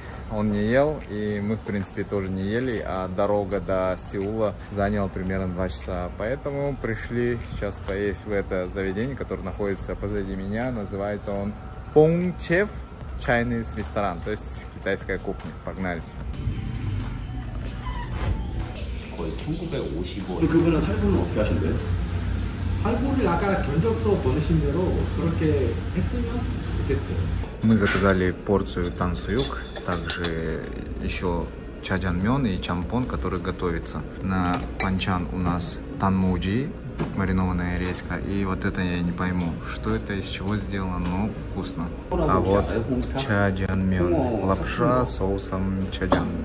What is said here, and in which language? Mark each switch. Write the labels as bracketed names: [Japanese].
[Russian] Он не ел, и мы, в принципе, тоже не ели, а дорога до Сеула заняла примерно 2 часа. Поэтому пришли сейчас поесть в это заведение, которое находится позади меня. Называется он Пунчев, чайный ресторан, то есть китайская кухня. Погнали! [Korean] 1950년. 그분은 할부는 어떻게 하신대요? 할부를 아까 견적서 보내신 대로 그렇게 했으면 좋겠대요. [Russian] Мы заказали порцию тансуюк, также еще чаджанмён и чампон, который готовится. На панчан у нас танмуджи, маринованная редька. И вот это я не пойму, что это, из чего сделано, но вкусно. А вот чаджанмён, лапша с соусом чаджан.